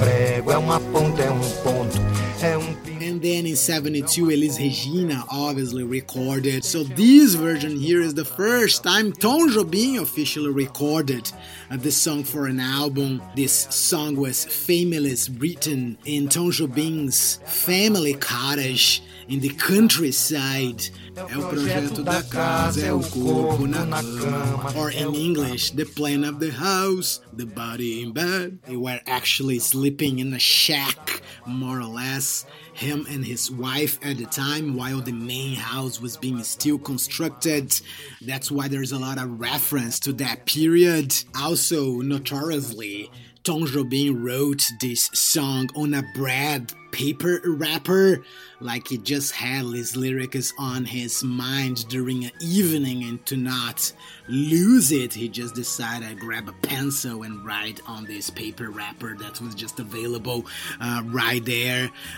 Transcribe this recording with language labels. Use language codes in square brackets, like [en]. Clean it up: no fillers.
[en] And then in 72, Elis Regina obviously recorded. So this version here is the first time Tom Jobim officially recorded the song for an album. This song was famously written in Tom Jobim's family cottage in the countryside. [pt] É o projeto da casa, é o corpo na cama. [en] Or in English, the plan of the house, the body in bed. They were actually sleeping in a shack, more or less, him and his wife at the time, while the main house was being still constructed. That's why there's a lot of reference to that period. Also, notoriously, Tom Jobim wrote this song on a bread paper wrapper, like he just had these lyrics on his mind during an evening, and to not lose it, he just decided to grab a pencil and write on this paper wrapper that was just available right there.